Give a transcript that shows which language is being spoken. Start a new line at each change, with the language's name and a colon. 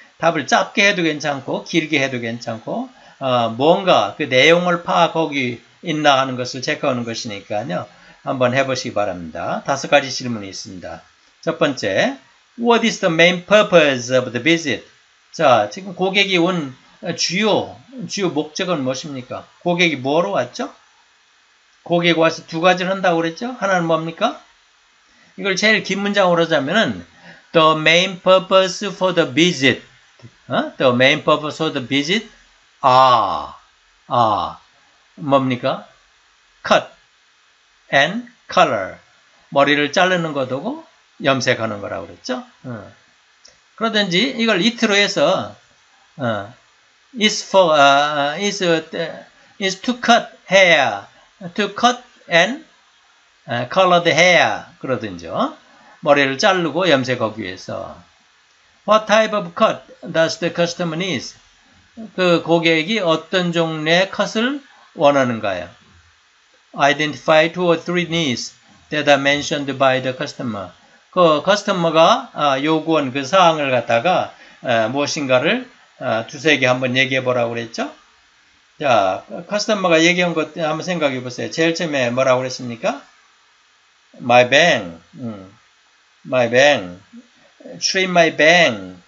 Korean: 답을 짧게 해도 괜찮고 길게 해도 괜찮고 뭔가 그 내용을 파악하기 있나 하는 것을 체크하는 것이니까요. 한번 해보시기 바랍니다. 다섯 가지 질문이 있습니다. 첫 번째,
English: What is the main purpose of the visit?
Korean: 자, 지금 고객이 온 주요 목적은 무엇입니까? 고객이 뭐하러 왔죠? 고객이 와서 두 가지를 한다고 그랬죠? 하나는 뭡니까? 이걸 제일 긴 문장으로 하자면은
English: The main purpose for the visit. 어? The main purpose for the visit are
Korean: 뭡니까?
English: Cut. And color.
Korean: 머리를 자르는 거고 염색하는 거라고 그랬죠? 그러든지 이걸
English: it로 해서 is to cut hair. To cut and color the hair.
Korean: 그러든지요. 머리를 자르고 염색하기 위해서.
English: What type of cut does the customer needs?
Korean: 그 고객이 어떤 종류의 컷을 원하는가요?
English: Identify two or three needs that are mentioned by the customer.
Korean: 그 커스터머가 요구한 그 사항을 갖다가 무엇인가를 두세 개 한번 얘기해 보라고 그랬죠? 자, 커스터머가 얘기한 것 한번 생각해 보세요. 제일 처음에 뭐라고 그랬습니까?
English: My bang, my bang, trim my bang.